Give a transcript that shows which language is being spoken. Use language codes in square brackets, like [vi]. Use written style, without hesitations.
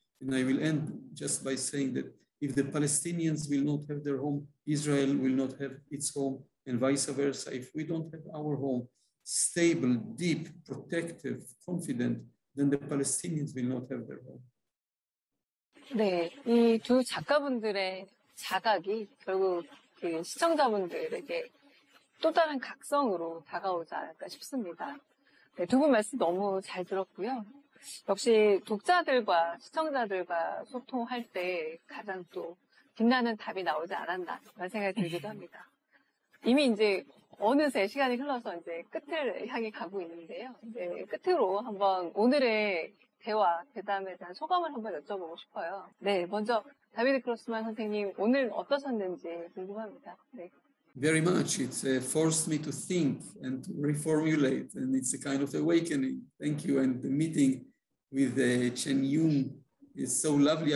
[en] And I will end just by saying that if the Palestinians will not have their home, Israel will not have its home, and vice versa. If we don't have our home, stable, deep, protective, confident, then the Palestinians will not have their home. [ko] 네, 이 두 작가분들의 자각이 결국 그 시청자분들에게 또 다른 각성으로 다가오지 않을까 싶습니다. 네, 두 분 말씀 너무 잘 들었고요. 역시 독자들과 시청자들과 소통할 때 가장 또 빛나는 답이 나오지 않았나 그런 생각이 들기도 합니다. 이미 이제 어느새 시간이 흘러서 이제 끝을 향해 가고 있는데요. 이제 끝으로 한번 오늘의 대화, 대담에 대한 소감을 한번 여쭤보고 싶어요. 네, 먼저 다비드 크로스만 선생님 오늘 어떠셨는지 궁금합니다. 네. [en] Very much. It's forced me to think and to reformulate, and it's a kind of awakening. Thank you. And the meeting with Chen Yun is so lovely.